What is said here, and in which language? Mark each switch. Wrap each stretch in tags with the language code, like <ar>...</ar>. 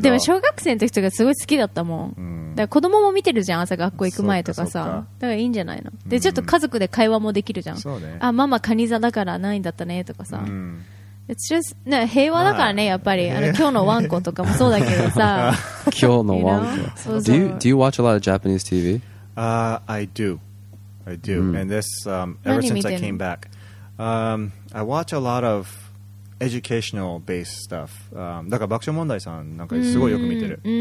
<ja>でも小学生の時とかすごい好きだったもん。だから子供も見てるじゃん、朝学校行く前とかさ、だからいいんじゃないの。でちょっと家族で会話もできるじゃん。そうね、あ、ママカニ座だから何位だったねとかさ、</ja> <en>It's just,</en> <ja>ね、平和だからね、やっぱり今日のワンコとかもそうだけどさ。今日のワンコ。</ja> <en>Do you watch a lot of Japanese TV? I do. And this, ever since I came back, I watch a lot of educational based stuff.</en> <ja>だから爆笑問題さんなんかすごいよく見てる。</ja>